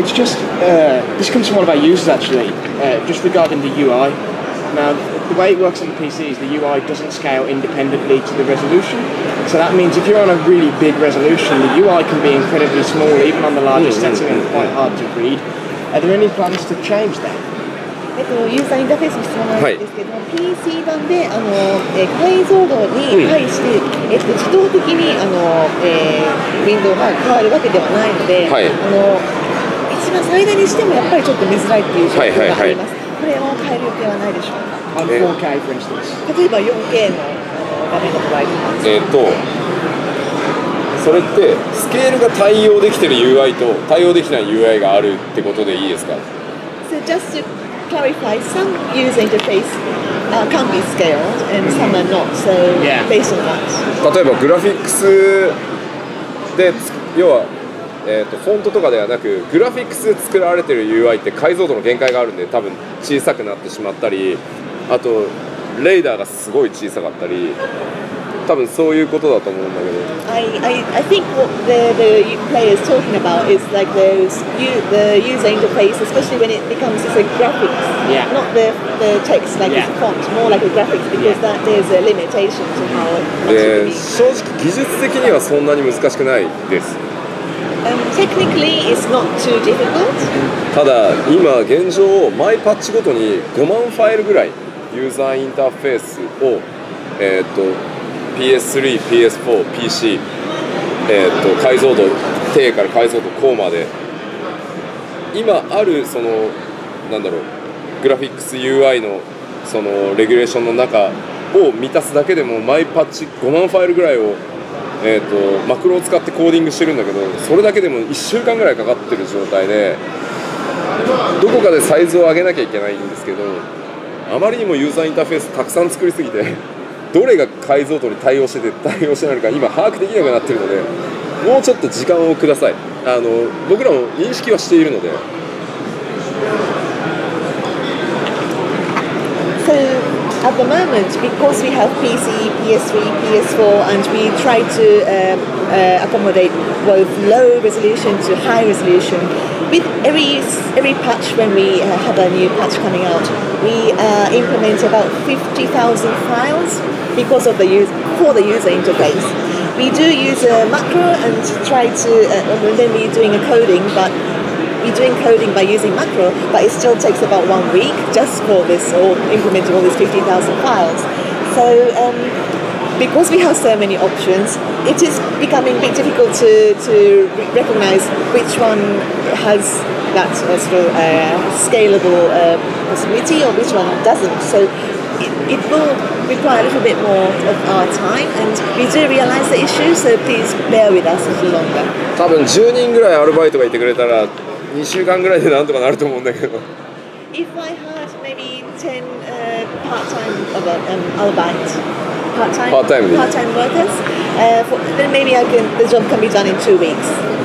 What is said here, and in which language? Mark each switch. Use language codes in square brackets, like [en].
[en] It's just, this comes from one of our users actually, just regarding the UI. Now, the way it works on the PC is the UI doesn't scale independently to the resolution. So that means if you're on a really big resolution, the UI can be incredibly small, even on the largest sensor, and quite hard to read. Are there any plans to change that? [ja] ユーザーインターフェースの質問なんですけども、はい、PC 版で解像度に対して、自動的にウィンドウが変わるわけではないので、はい、一番最大にしてもやっぱりちょっと見づらいという状況があります、はいはいはい、これも変える予定はないでしょうか。 [en] 4K for instance、 [ja] 例えば 4K の画面のプライズなんですか。それってスケールが対応できている UI と対応できない UI があるってことでいいですか。 [en] So justClarify, some user interface can be scaled and some are not, so yeah. Based on that. [ja] 例えばグラフィックスで要はフォントとかではなく、グラフィックスで作られている UI って解像度の限界があるんで、多分小さくなってしまったり、あとレーダーがすごい小さかったり、多分そういうことだと思うんだけど。 [en] I think what the player is talking about is like the user interface, especially when it becomes just a graphics, yeah. Not the text like a font, more like a graphics, because that is a limitation to how it must be. [ja] 正直技術的にはそんなに難しくないです。 [en] Technically, it's not too difficult. [ja] ただ今現状毎パッチごとに5万ファイルぐらいユーザーインターフェースをPS3、PS4、PC、解像度、低から解像度、高まで今あるそのなんだろうグラフィックス UI のそのレギュレーションの中を満たすだけでもマイパッチ5万ファイルぐらいをマクロを使ってコーディングしてるんだけど、それだけでも1週間ぐらいかかってる状態で、どこかでサイズを上げなきゃいけないんですけど、あまりにもユーザーインターフェースたくさん作りすぎて、どれが解像度に対応してて対応してないのか今把握できなくなってるので、もうちょっと時間をください。あの僕らも認識はしているので。 [en] So at the moment, because we have PC, PS3, PS4, and we try to accommodate both low resolution to high resolution with every patch. When we have a new patch coming out, we implement about 50,000 filesBecause of the use for the user interface, we do use a macro and try to. And then we're doing a coding, but we're doing coding by using macro. But it still takes about 1 week just for this or implementing all these 50,000 files. So because we have so many options, it is becoming a bit difficult to recognize which one has that sort of scalable possibility or which one doesn't. So. It will require a little bit more of our time, and we do realize the issue, so please bear with us a little longer. [ja] 多分10人ぐらいアルバイトがいてくれたら2週間ぐらいでなんとかなると思うんだけど。 [en] If I had maybe 10 part-time part-time workers, then maybe the job can be done in 2 weeks.